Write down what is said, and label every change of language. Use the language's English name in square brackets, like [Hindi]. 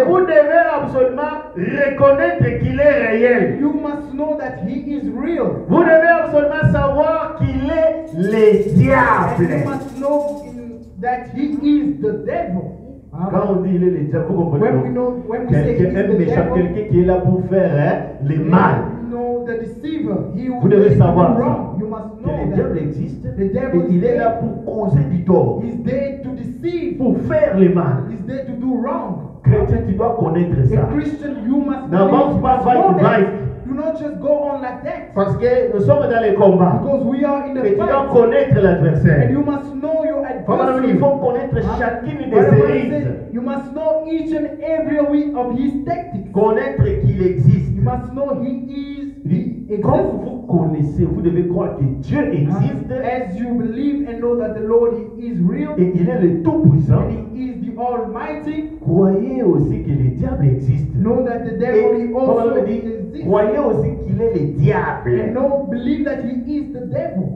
[French] Et vous devez absolument reconnaître qu'il est réel. [English] You must know that he is real. [French] Vous devez absolument savoir qu'il est le diable. [English] And you must know that he is the devil. [French] Quand on dit il est le diable, vous comprenez? Quelqu'un méchant, quelqu'un qui est là pour faire hein, le mal. [English] Know the deceiver. He [French] vous devez savoir [English] you must know [French] que le diable existe. [English] The devil [French] et il est là pour causer du tort. [English] He's there to deceive. [French] Pour faire le mal. [English] He's there to do wrong. [French] Chrétien, tu dois connaître ça. [English] A Christian, you must [French] n'avance pas vite [English] to life. Do not just go on like that. [French] Parce que nous sommes dans les combats. [English] Because we are in the [French] et tu dois connaître l'adversaire. [English] And you must know your adversary. [French] Il faut connaître chacune des séries. [English] You must know each and every week of his tactics. [French] Connaître qu'il existe. [English] You must know he is. [French] Quand vous connaissez, vous devez croire que Dieu existe. [English] As you believe and know that the Lord is real. [French] Et il est le Tout-Puissant. [English] And he is the Almighty. [French] Croyez aussi que le diable existe. [English] Know that the devil also exists. [French] Croyez aussi qu'il est le diable. [English] And know, believe that he is the devil.